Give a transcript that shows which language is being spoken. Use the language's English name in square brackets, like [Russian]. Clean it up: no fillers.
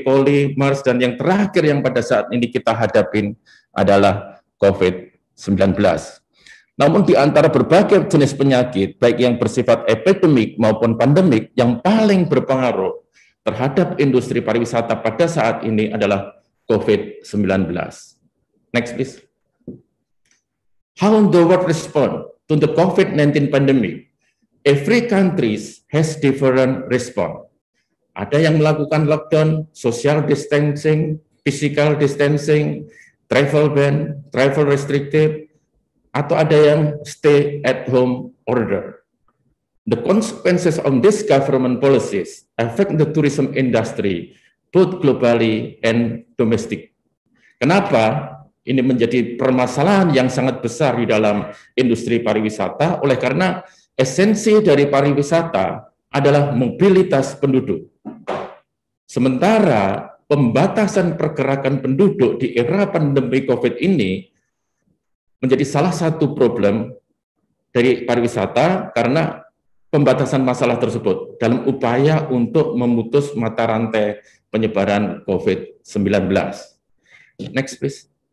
[Indonesian] coli, MERS, dan yang terakhir yang pada saat ini kita hadapin adalah COVID-19. Namun di antara berbagai jenis penyakit, baik yang bersifat epidemik maupun pandemik, yang paling berpengaruh terhadap industri pariwisata pada saat ini adalah COVID-19. [English] Next please. How the world respond to the COVID-19 pandemic? Every country has different response. [Indonesian] Ada yang melakukan [English] lockdown, social distancing, physical distancing, travel ban, travel restricted, [Indonesian] atau ada yang [English] stay at home order. The consequences of this government policies affect the tourism industry, both globally and domestic. [Indonesian] Kenapa ini menjadi permasalahan yang sangat besar di dalam industri pariwisata? Oleh karena esensi dari pariwisata adalah mobilitas penduduk. Sementara pembatasan pergerakan penduduk di era pandemi COVID ini menjadi salah satu problem dari pariwisata karena pembatasan masalah tersebut dalam upaya untuk memutus mata rantai penyebaran COVID-19. [English] Next, please.